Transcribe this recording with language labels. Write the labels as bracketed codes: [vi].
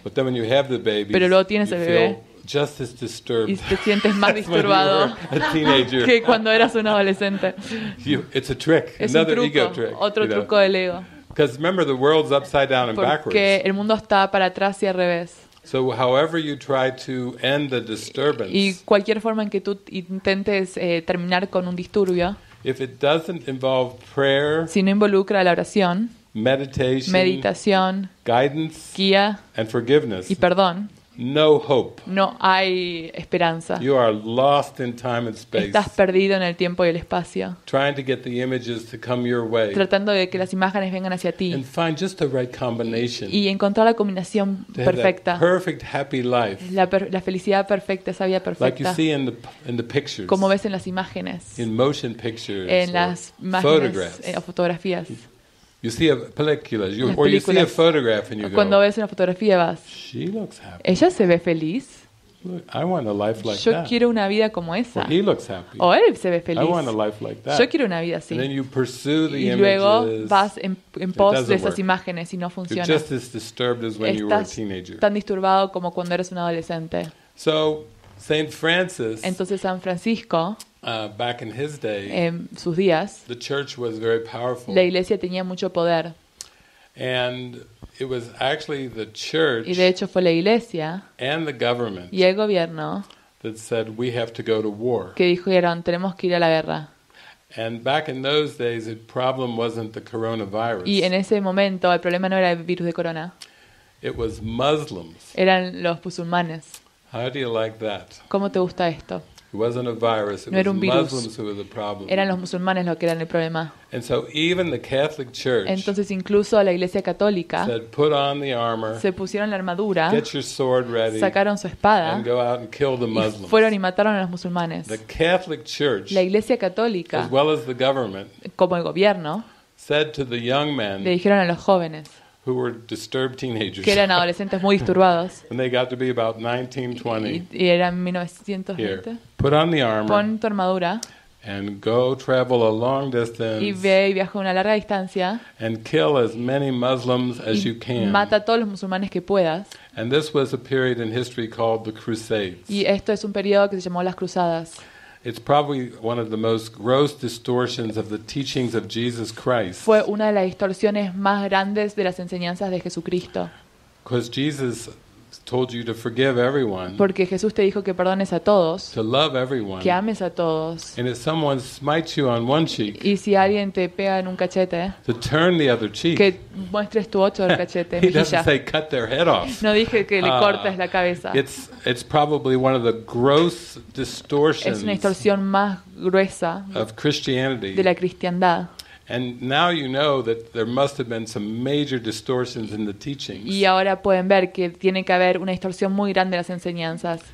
[en] But then when you have the babies, [es] pero luego tienes [en] you [es] el bebé [en] just as disturbed [es] y te sientes más disturbado que cuando eras un adolescente. [en] It's a trick. [es] Es [en] another [es] un truco, [en] ego trick, [es] otro [en] you know? [es] Truco del ego. [en] Because remember, the world's upside down and [es] porque [en] backwards. [es] Porque el mundo está para atrás y al revés. [en] So, however you try to end the disturbance, [es] y cualquier forma en que tú intentes terminar con un disturbio, [en] if it doesn't involve prayer, [es] si no involucra la oración, meditación, [en] guidance, [es] guía, [en] and forgiveness, [es] y perdón, [en] no hope. [es] No hay esperanza. [en] You are lost in time and space. [es] Estás perdido en el tiempo y el espacio. [en] Trying to get the images to come your way. [es] Tratando de que las imágenes vengan hacia ti. [en] And find just the right combination. [es] Y encontrar la combinación perfecta. [en] To have that perfect happy life. [es] La felicidad perfecta, esa vida perfecta. [en] Like you see in the pictures. [es] Como ves en las imágenes. [en] In motion pictures. [es] En las imágenes, [en] photographs. [es] O fotografías. [en] You see a película, or you see a photograph, and you go. [es] Cuando ves una fotografía, vas. [en] She looks happy. [es] Ella se ve feliz. [en] Look, I want a life like [es] yo [en] that. [es] Yo quiero una vida como esa. [en] Well, he looks happy. [es] O él se ve feliz. [en] I want a life like that. [es] Yo quiero una vida así. [en] And then you pursue the [es] y [en] images. [es] Y luego vas en pos de esas imágenes y no funciona. [en] You're just as disturbed as when [es] estás [en] you were a teenager. [es] Tan disturbado como cuando eras un adolescente. [en] So, Saint Francis. [es] Entonces San Francisco. [en] Back in his day, [es] en sus días, [en] the church was very powerful. [es] La iglesia tenía mucho poder. [en] And it was actually the church, [es] y de hecho fue la iglesia, [en] and the government, [es] y el gobierno, [en] that said we have to go to war. [es] Que dijeron tenemos que ir a la guerra. [en] And back in those days, the problem wasn't the coronavirus. [es] Y en ese momento el problema no era el virus de corona. [en] It was Muslims. [es] Eran los musulmanes. [en] How do you like that? [es] ¿Cómo te gusta esto? [en] It wasn't a virus. [es] No era un virus. [en] Muslims who were the problem. [es] Eran los musulmanes los que eran el problema. [en] And so even the Catholic Church. [es] Entonces incluso la Iglesia Católica. [en] Said, put on the armor. [es] Se pusieron la armadura. [en] Get your sword ready. [es] Sacaron su espada. [en] And go out and kill the Muslims. [es] Y fueron y mataron a los musulmanes. [en] The Catholic Church. [es] La Iglesia Católica. [en] As well as the government. [es] Como el gobierno. [en] Said to the young men. [es] Le dijeron a los jóvenes. [en] Who were disturbed teenagers. [es] Que eran adolescentes muy disturbados. [en] And they got to be about 19, 20. [es] Y eran 1920. [en] Here, put on the armor. [es] Pon tu armadura. [en] And go travel a long distance. [es] Y ve y viaja una larga distancia. [en] And kill as many Muslims as you can. [es] Mata a todos los musulmanes que puedas. [en] And this was a period in history called the Crusades. [es] Y esto es un periodo que se llamó las Cruzadas. [en] It's probably one of the most gross distortions of the teachings of Jesus Christ. [es] Fue una de las distorsiones más grandes de las enseñanzas de Jesucristo. [en] Because Jesus told you to forgive everyone. [es] Porque Jesús te dijo que perdones a todos. [en] To love everyone. [es] Que ames a todos. [en] And if someone smites you on one cheek. [es] Y si alguien te pega en un cachete. [en] To turn the other cheek. [es] Que muestres tu otro cachete. [en] He doesn't say cut their head off. [es] No dije que le cortes la cabeza. [en] It's probably one of the gross distortions. [es] Es una distorsión más gruesa. [en] Of Christianity. [es] De la cristiandad. [en] And now you know that there must have been some major distortions in the teachings. [es] Y ahora pueden ver que tiene que haber una distorsión muy grande de las enseñanzas.